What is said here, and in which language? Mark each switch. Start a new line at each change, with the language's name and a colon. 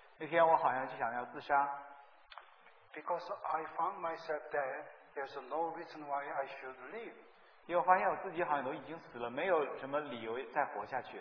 Chinese: 那天我好像就想要自杀。
English: Because I found myself dead, there's no reason why I should live.
Chinese: 因为我发现我自己好像都已经死了，没有什么理由再活下去。